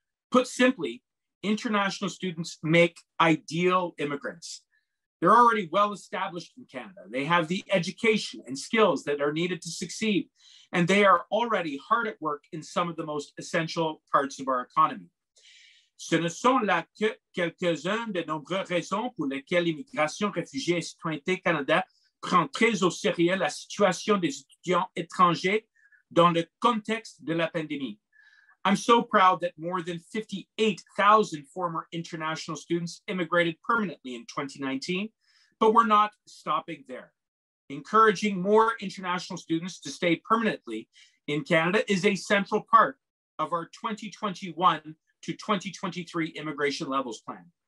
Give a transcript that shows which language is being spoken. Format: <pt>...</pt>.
<en>Put simply, international students make ideal immigrants. They're already well established in Canada. They have the education and skills that are needed to succeed. And they are already hard at work in some of the most essential parts of our economy.</en> <fr>Ce ne sont là que quelques-unes des nombreuses raisons pour lesquelles l'immigration, réfugiés et citoyenneté Canada prend très au sérieux la situation des étudiants étrangers dans le contexte de la pandémie.</fr> <en>I'm so proud that more than 58,000 former international students immigrated permanently in 2019, but we're not stopping there. Encouraging more international students to stay permanently in Canada is a central part of our 2021 to 2023 immigration levels plan.</en>